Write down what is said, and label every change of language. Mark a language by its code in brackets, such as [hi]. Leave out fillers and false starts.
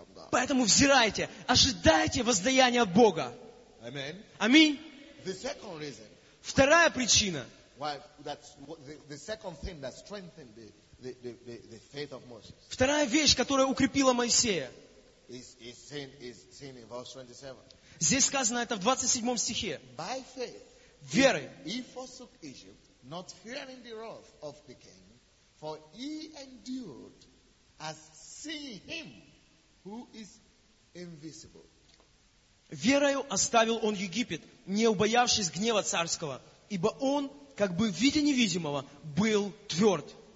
[ru] Поэтому взирайте, ожидайте воздаяния от Бога. [en] Amen. [ru] Аминь. [en] The second reason. [ru] Вторая причина. [en] Why that's the second thing that strengthened the faith of Moses. [ru] Вторая вещь, которая укрепила Моисея. [en] Is seen in verse 27. [ru] Здесь сказано это в 27 стихе. [en] By faith. [ru] Верой. [en] He forsook Egypt, not fearing the wrath of the king, for he endured as seeing him who is invisible. [ru] Верою оставил он Египет, не убоявшись гнева царского, ибо он, как бы в виде невидимого, был тверд.